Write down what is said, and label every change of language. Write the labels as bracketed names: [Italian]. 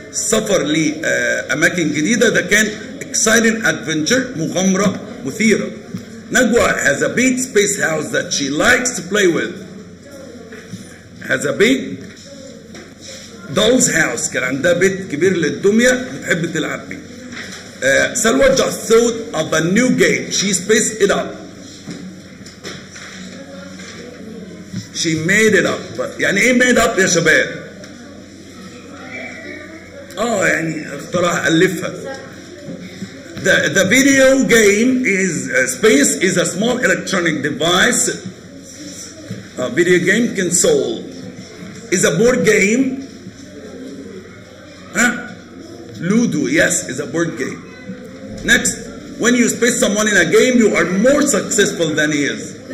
[Arabic] سفر لأماكن جديدة ده كان [English] exciting adventure, [Arabic] مغامرة مثيرة. [English] Nagwa has a big space house that she likes to play with. Has a big doll's house. [Arabic] كان عندها بيت كبير للدمية بتحب تلعب بيه. [English] Salwa just thought of a new game. She spaced it up. She made it up. [Arabic] يعني ايه made up يا شباب؟ يعني اخترع ألفها. [English] The video game is space is a small electronic device. A video game console is a board game. Ludo, yes, is a board game. Next, when you space someone in a game, you are more successful than he is.